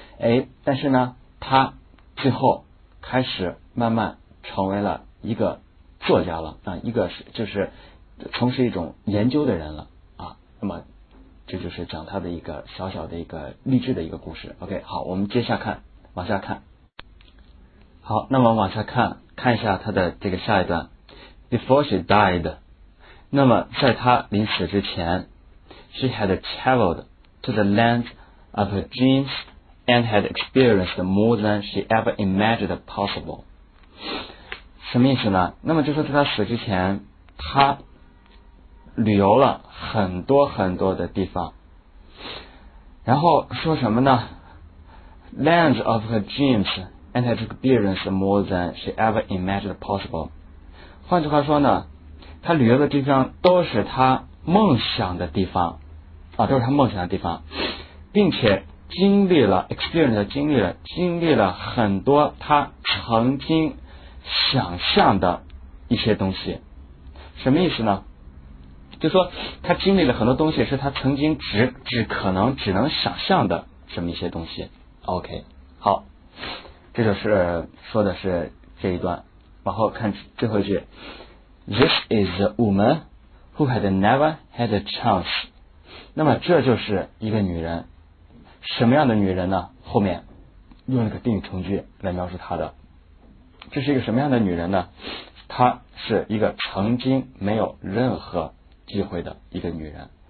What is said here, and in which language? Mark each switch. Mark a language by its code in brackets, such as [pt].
[zh] 哎，但是呢，她最后开始慢慢成为了一个作家了啊，一个是就是从事一种研究的人了啊。那么这就是讲他的一个小小的一个励志的一个故事。 OK， 好，我们接下看，往下看。好，那么往下看，看一下他的这个下一段。 [en] Before she died， [zh] 那么在他临死之前 [en] ，she had traveled to the land of her dreams and had experienced more than she ever imagined possible。 [zh] 什么意思呢？那么就说在他死之前，他旅游了很多很多的地方，然后说什么呢 ？ [en] Lands of her dreams and has experienced more than she ever imagined possible. [zh] 换句话说呢，她旅游的地方都是她梦想的地方啊，都是她梦想的地方，并且经历了 experience 经历了很多她曾经想象的一些东西。什么意思呢？就说他经历了很多东西是他曾经只能想象的这么一些东西。 OK， 好，这就是说的是这一段。然后看最后一句， [en] This is a woman who had never had a chance。 [zh] 那么这就是一个女人，什么样的女人呢？后面用了个定语从句来描述她的，这是一个什么样的女人呢？她是一个曾经没有任何机会的一个女人。